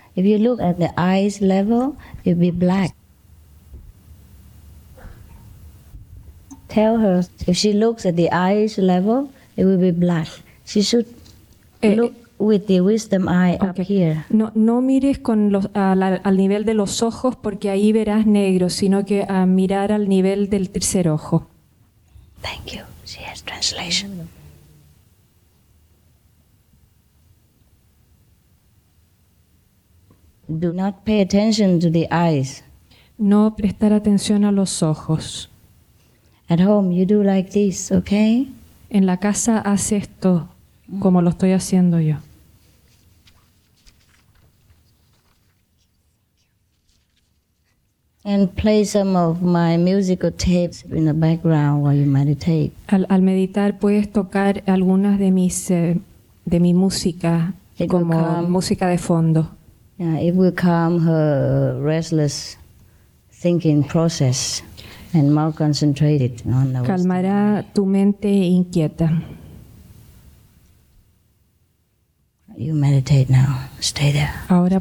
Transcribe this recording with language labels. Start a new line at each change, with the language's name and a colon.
English: If you look at the eyes level, it will be black. Tell her, if she looks at the eyes level, it will be black. She should look with the wisdom eye up here.
Spanish: No mires con los, al nivel de los ojos, porque ahí verás negro, sino que a mirar al nivel del tercer ojo.
English: Thank you. She has translation. Do not pay attention to the eyes.
Spanish: No prestar atención a los ojos.
English: At home, you do like this, okay?
Spanish: En la casa hace esto como lo estoy haciendo yo.
English: And play some of my musical tapes in the background while you meditate.
Spanish: Al meditar puedes tocar algunas de mi música como música de fondo.
English: Yeah, it will calm her restless thinking process and more concentrated on the
Spanish: calmará tu mente inquieta.
English: You meditate now. Stay there.
Spanish: Ahora